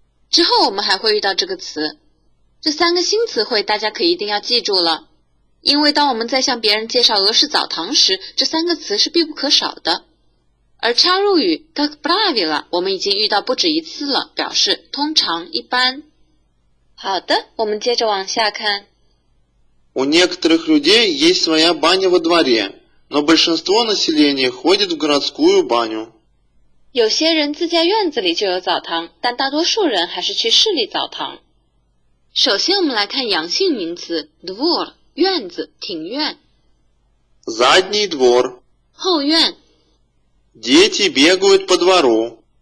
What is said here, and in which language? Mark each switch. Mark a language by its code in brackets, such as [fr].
[zh] 之后我们还会遇到这个词，这三个新词汇大家可一定要记住了，因为当我们在向别人介绍俄式澡堂时，这三个词是必不可少的。而插入语 как правило 我们已经遇到不止一次了，表示通常、一般。好的，我们接着往下看。 [ru] У некоторых людей есть своя баня во дворе, но большинство населения ходит в городскую баню。 [zh] 有些人自家院子里就有澡堂，但大多数人还是去市里澡堂。首先我们来看阳性名词 двор 院子、庭院。 [ru] задний двор [zh] 后院。 [ru] дети бегают по двору